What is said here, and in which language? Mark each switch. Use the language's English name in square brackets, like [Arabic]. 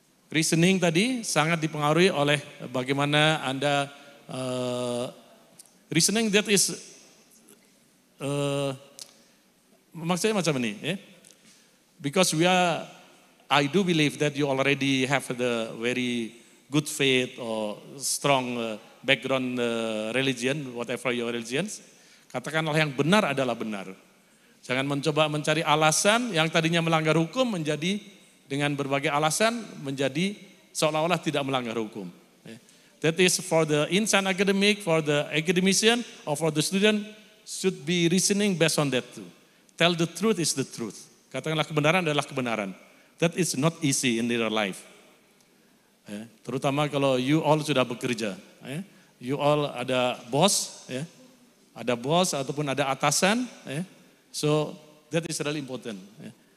[Indonesian] Reasoning tadi sangat dipengaruhi oleh bagaimana Anda, [English] reasoning that is, [Indonesian] maksudnya macam ini, [English] because we are, I do believe that you already have the very good faith or strong background religion, whatever your religions. [Indonesian] Katakanlah yang benar adalah benar. Jangan mencoba mencari alasan yang tadinya melanggar hukum menjadi dengan berbagai alasan menjadi seolah-olah tidak melanggar hukum. [English] That is for the insan academic, for the academician, or for the student should be reasoning based on that too. Tell the truth is the truth. [Indonesian] Katakanlah kebenaran adalah kebenaran. [English] That is not easy in their life. Yeah. [Indonesian] Terutama kalau you all sudah bekerja. Yeah. [English] You all [Indonesian] ada bos. Yeah. Ada bos ataupun ada atasan. [English] Yeah. So that is really important. Yeah.